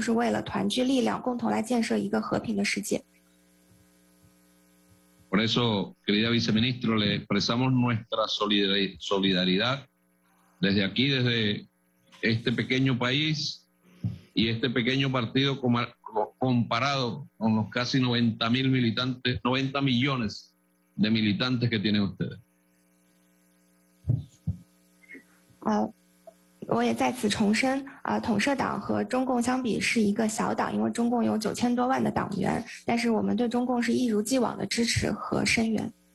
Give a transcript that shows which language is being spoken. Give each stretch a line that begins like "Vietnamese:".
Chinese: 西方国家或者说帝国主义国家，他们如果聚在一起，就是想出一些坏点子去伤害世界上的其他国家。而只有我们这些进步力量，我们坐在一起，就是为了团聚力量，共同来建设一个和平的世界。
Spanish: Por eso, querida viceministra, le expresamos nuestra solidaridad desde aquí, desde este pequeño país y este pequeño partido comparado con los casi 90 mil militantes, 90 millones de militantes que tienen ustedes.
Chinese: 我也再次重申，统社党和中共相比是一个小党，因为中共有 9000多万的党员，但是我们对中共是一如既往的支持和声援。